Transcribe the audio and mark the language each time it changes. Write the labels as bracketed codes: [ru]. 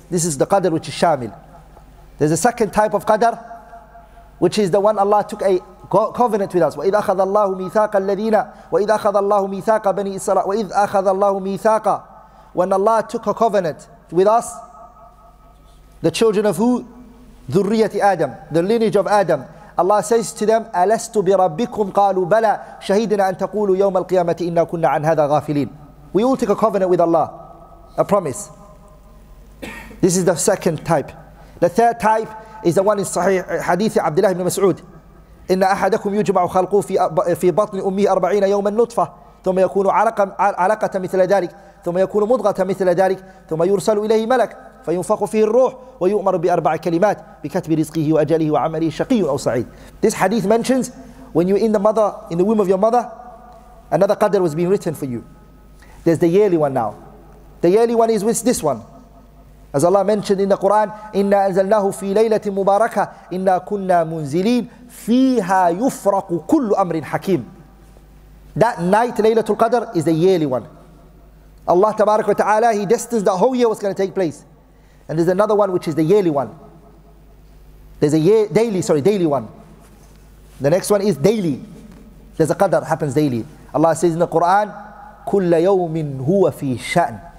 [en] This is the qadr which is shamil. There's a second type of qadr, which is the one Allah took a covenant with us. [ar] وَإِذْ أَخَذَ اللَّهُ مِيثَاقَ الَّذِينَ وَإِذْ أَخَذَ اللَّهُ مِيثَاقَ بَنِي إِسْرَائِيلَ وَإِذْ أَخَذَ اللَّهُ مِيثَاقَ. [en] When Allah took a covenant with us, the children of who? ذُرِّيَّةِ Adam, the lineage of Adam. [ar] Allah says to them, أَلَسْتُ بِرَبِّكُمْ قَالُوا بَلَى شَهِدْنَا أَن تَقُولُوا يَوْمَ الْقِيَامَةِ إِنَّا كُنَّا عَنْ هَذَا غَافِلِينَ. [en] We all took a covenant with Allah, a promise. This is the second type. The third type is the one in Sahih Hadith Abdullah ibn Mas'ud. [ar] إن أحدكم يجمع خلقه في بطن أمه 40 يوما نطفة ثم يكون علقة مثل ذلك ثم يكون مضغة مثل ذلك ثم يرسل إليه ملك فينفخ فيه الروح ويؤمر بأربع كلمات بكتب رزقه وأجله وعمله شقي أو سعيد. [en] This hadith mentions when you're in the womb of your mother, another qadr was being written for you. There's the yearly one now. The yearly one is with this one. As Allah mentioned in the Quran, [ar] إِنَّا أَنزَلْنَاهُ فِي لَيْلَةٍ مُبَارَكَةٍ إِنَّا كُنَّا مُنزِلِينَ فِيهَا يُفْرَقُ كُلُّ أَمْرٍ حَكِيمٍ. [en] That night, Laylatul Qadr, is the yearly one. Allah tabarak wa ta'ala, He destines the whole year what's going to take place. And there's another one which is the yearly one. There's a daily one. The next one is daily. There's a qadr, happens daily. Allah says in the Quran, [ar] كُلَّ يَوْمٍ هُوَ فِي شَأْنٍ.